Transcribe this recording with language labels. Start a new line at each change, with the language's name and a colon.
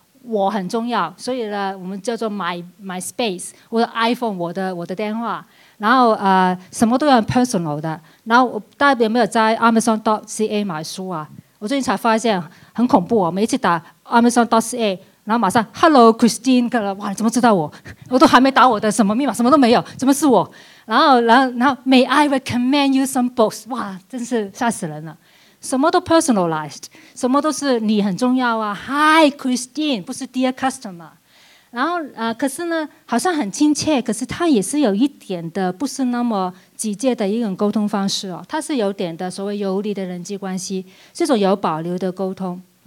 Chinese: 我很重要，所以呢，我们叫做
English: my space，
Chinese: 我的 iPhone， 我的电话，然后什么都要 personal 的。然后大家有没有在 Amazon.ca 买书啊？我最近才发现很恐怖哦，每一次打 Amazon.ca， 然后马上
English: Hello Christine，
Chinese: 哇，你怎么知道我？我都还没打我的什么密码，什么都没有，怎么是我？
English: 然后 May I recommend you some books？
Chinese: 哇，真是吓死人了。什么都 personalized， 什么都是你很重要啊 ，
English: Hi Christine，
Chinese: 不是
English: Dear Customer，
Chinese: 然后可是呢，好像很亲切，可是他也是有一点的不是那么直接的一种沟通方式哦，他是有点的所谓游离的人际关系，这种有保留的沟通。